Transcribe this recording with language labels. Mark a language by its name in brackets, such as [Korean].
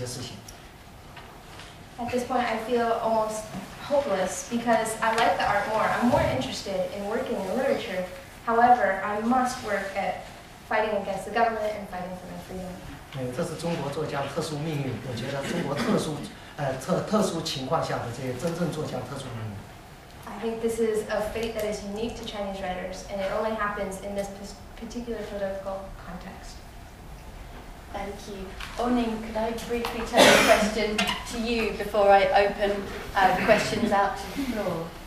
[Chinese] 做出这种的判断，对我来说也是很无奈的，因为我非常爱艺术，但是我现在不得不去做那种跟政治、跟政治抗争的一些事情。 [English] At this point, I feel almost hopeless because I like the art more. I'm more interested in working in literature. However, I must work at fighting against the government and fighting for my freedom. [Chinese] 这是中国作家的特殊命运，我觉得中国特殊情况下的这些真正作家特殊命运。 [English] I think this is a fate that is unique to Chinese writers, and it only happens in this particular political context. Thank you. Oh Ning, could I briefly turn a question to you before I open questions out to the floor?